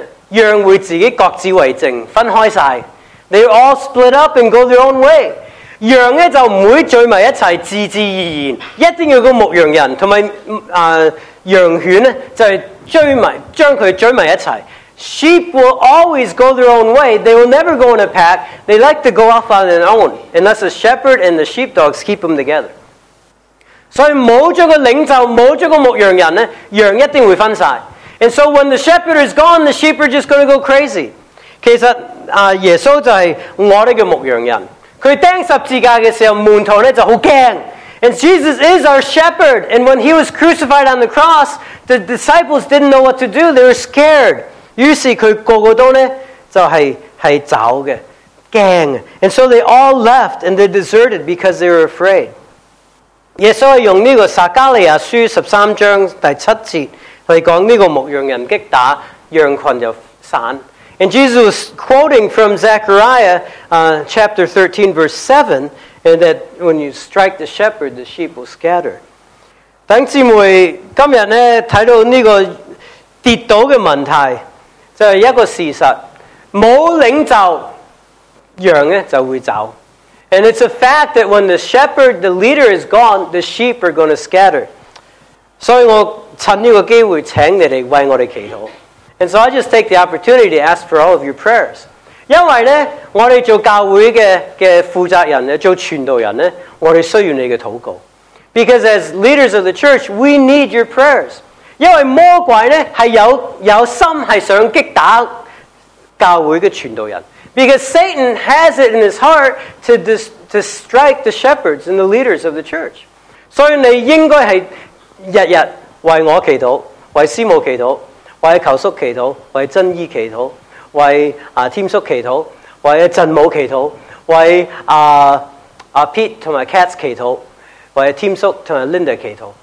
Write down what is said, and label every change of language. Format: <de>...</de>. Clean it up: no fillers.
<yue>羊會自己各自為政，分開曬。</yue> <en>They all split up and go their own way。</en> <yue>羊咧就唔會聚埋一齊，自自然然，一定要個牧羊人同埋啊羊犬咧就係追埋，將佢追埋一齊。</yue> <en>Sheep will always go their own way. They will never go in a pack. They like to go off on their own, unless the shepherd and the sheepdogs keep them together.</en> <yue>所以冇咗個領袖，冇咗個牧羊人咧，羊一定會分曬。</yue> <en>And so when the shepherd is gone, the sheep are just going to go crazy.</en> <yue>其實耶穌就係我哋嘅牧羊人。佢釘十字架嘅時候，門徒咧就好驚。</yue> <en>And Jesus is our shepherd. And when he was crucified on the cross, the disciples didn't know what to do. They were scared.</en> <yue>於是佢個個都咧就係走嘅，驚。</yue> <en>And so they all left and they deserted because they were afraid.</en> <yue>耶穌用呢個撒加利亞書十三章第七節。佢講呢個牧羊人擊打羊群就散。</yue> <en>And Jesus was quoting from Zechariah, chapter 13, verse 7, and that when you strike the shepherd, the sheep will scatter.</en> <yue>弟兄姊妹，今日咧睇到呢個跌倒嘅問題，就係一個事實：冇領袖，羊咧就會走。</yue> <en>And it's a fact that when the shepherd, the leader is gone, the sheep are going to scatter.</en> <yue>所以我趁呢個機會請你哋為我哋祈禱。</yue> <en>And so I just take the opportunity to ask for all of your prayers.</en> <yue>因為呢，我哋做教會嘅負責人呢，做傳道人呢，我哋需要你嘅禱告。</yue> <en>Because as leaders of the church, we need your prayers.</en> <yue>因為魔鬼呢，係有心係想擊打教會嘅傳道人。</yue> <en>Because Satan has it in his heart to strike the shepherds and the leaders of the church.</en> <yue>所以你應該係日日为我祈祷，为师母祈祷，为求叔祈祷，为真依祈祷，为添叔祈祷，为振母祈祷，为Pete 同埋 Cats 祈祷，为添叔同埋 Linda 祈祷。</yue>